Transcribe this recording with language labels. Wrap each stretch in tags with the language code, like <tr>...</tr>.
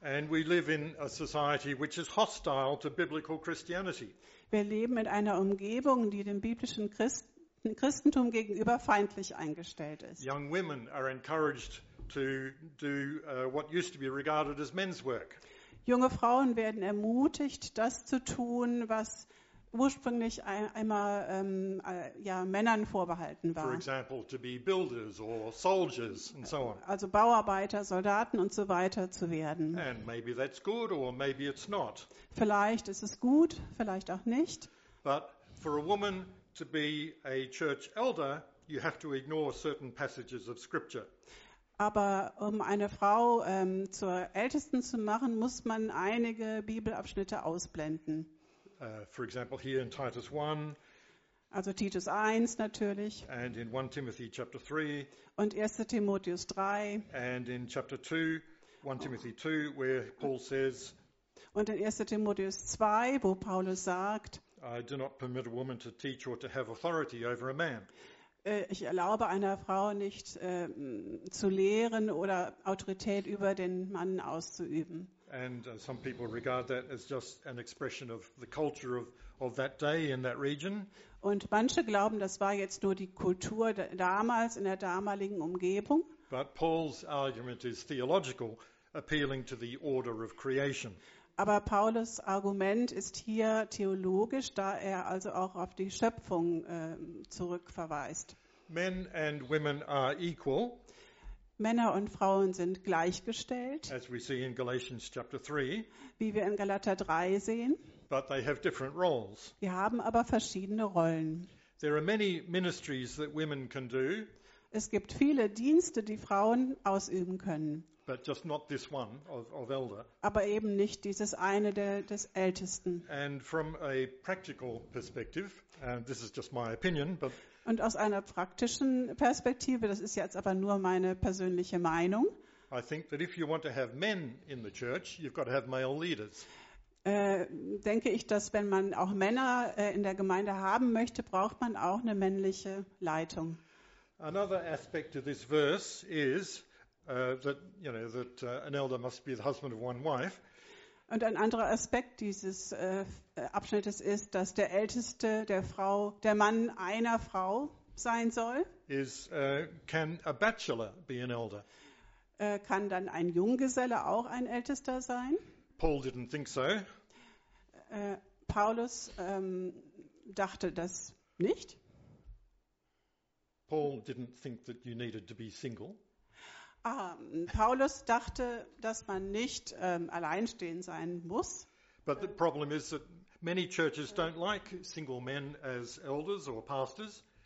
<en>And we live in a society which is hostile to biblical Christianity.</en> <de>Wir leben in einer Umgebung, die dem biblischen Christentum gegenüber feindlich eingestellt ist.</de> <en>Young women are encouraged to do what used to be regarded as men's work.</en> <de>Junge Frauen werden ermutigt, das zu tun, was ursprünglich einmal Männern vorbehalten war.</de> <en>For example, to be builders or soldiers and so on.</en> <de>Also Bauarbeiter, Soldaten und so weiter zu werden.</de> <en>And maybe that's good or maybe it's not.</en> <de>Vielleicht ist es gut, vielleicht auch nicht.</de> <en>But for a woman to be a church elder, you have to ignore certain passages of scripture.</en> <de>Aber um eine Frau zur Ältesten zu machen, muss man einige Bibelabschnitte ausblenden.</de> <en>For example, here in Titus 1.</en> <de>Also Titus 1 natürlich.</de> <en>And in 1 Timothy chapter 3.</en> <de>Und 1. Timotheus 3.</de> <en>And in chapter 2, 1 Timothy 2, where Paul says.</en> <de>Und in 1. Timotheus 2, wo Paulus sagt.</de> <en>I do not permit a woman to teach or to have authority over a man.</en> <de>Ich erlaube einer Frau nicht zu lehren oder Autorität über den Mann auszuüben.</de> <en>And some people regard that as just an expression of the culture of that day in that region.</en> <de>Und manche glauben, das war jetzt nur die Kultur damals in der damaligen Umgebung.</de> <en>But Paul's argument is theological, appealing to the order of creation.</en> <de>Aber Paulus Argument ist hier theologisch, da er also auch auf die Schöpfung zurückverweist.</de> <en>Men and women are equal.</en> <de>Männer und Frauen sind gleichgestellt.</de> <en>As we see in Galatians chapter 3.</en> <de>Wie wir in Galater 3 sehen.</de> <en>But they have different roles.</en> <de>Wir haben aber verschiedene Rollen.</de> <en>There are many ministries that women can do.</en> <de>Es gibt viele Dienste, die Frauen ausüben können.</de> <en>But just not this one of elder.</en> <de>Aber eben nicht dieses eine des Ältesten.</de> <en>And from a practical perspective, and this is just my opinion, but</en> <de>und aus einer praktischen Perspektive, das ist jetzt aber nur meine persönliche Meinung.</de> <en>I think that if you want to have men in the church, you've got to have male leaders.</en> <de>Denke ich, dass wenn man auch Männer in der Gemeinde haben möchte, braucht man auch eine männliche Leitung.</de> <en>Another aspect of this verse is that an elder must be the husband of one wife.</en> <de>Und ein anderer Aspekt dieses Abschnittes ist, dass der Älteste der Frau, der Mann einer Frau sein soll.</de> <en>Can a bachelor be an elder?</en> <de>Kann dann ein Junggeselle auch ein Ältester sein?</de> <en>Paul didn't think so.</en> <de>Paulus dachte das nicht.</de> <en>Paul didn't think that you needed to be single.</en> <de>Paulus dachte, dass man nicht alleinstehend sein muss.</de> <en>But the problem is that many churches don't like single men as elders or pastors.</en>